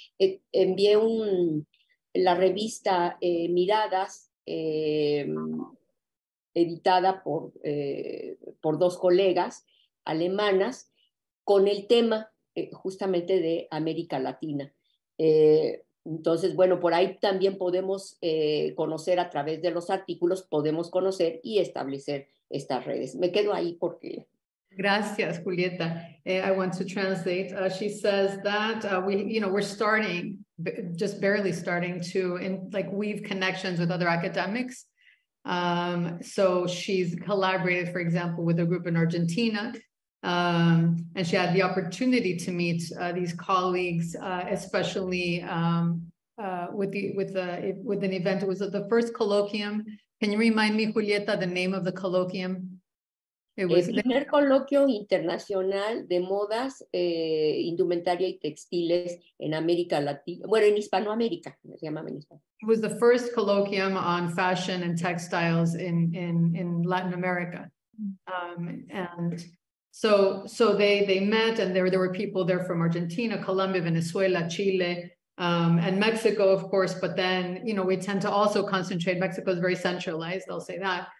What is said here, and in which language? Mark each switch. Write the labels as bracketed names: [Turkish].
[Spanish] Envié la revista Miradas, editada por dos colegas alemanas, con el tema justamente de América Latina. Entonces, bueno, por ahí también podemos conocer a través de los artículos, podemos conocer y establecer estas redes. Me quedo ahí porque... Gracias, Julieta. [English] I want to translate. She says that we're starting, just barely starting to weave connections with other academics. So she's collaborated, for example, with a group in Argentina, and she had the opportunity to meet these colleagues, especially with an event. It was the first colloquium. Can you remind me, Julieta, the name of the colloquium? It was [Spanish] el primer coloquio internacional de modas, indumentaria y textiles en América Latina, bueno, en Hispanoamérica, se llamaba en Hispanoamérica. [English] It was the first colloquium on fashion and textiles in Latin America. And so they met, and there were people there from Argentina, Colombia, Venezuela, Chile, and Mexico, of course. But then, you know, we tend to also concentrate, Mexico is very centralized, I'll say that.